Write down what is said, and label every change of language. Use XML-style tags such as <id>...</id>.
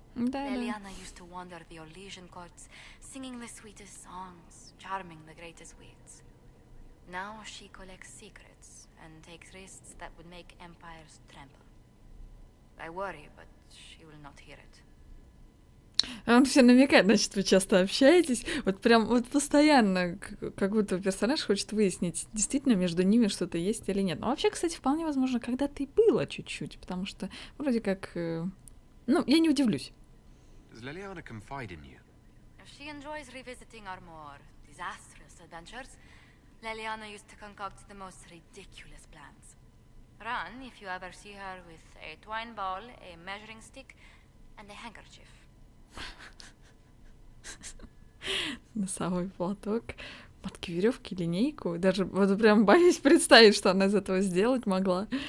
<en>Leliana used to wander the Orlesian courts, singing the sweetest songs, charming the greatest wits. Now she collects secrets and takes risks that would make empires tremble. I worry, but she will not hear it.</en> <ru>Он все намекает, значит, вы часто общаетесь. Вот прям вот постоянно, как будто персонаж хочет выяснить, действительно между ними что-то есть или нет. Но вообще, кстати, вполне возможно, когда-то и было чуть-чуть, потому что вроде как... Ну, я не удивлюсь.</ru> <en>Does Leliana confide in you? If she enjoys revisiting our more disastrous adventures, Leliana used to concoct the most ridiculous plans. Run, if you ever see her, with a twine ball, a measuring stick, and a handkerchief.</en> <ru>Носовой платок, матки веревки, линейку. Даже вот прям боюсь представить, что она из этого сделать могла.</ru>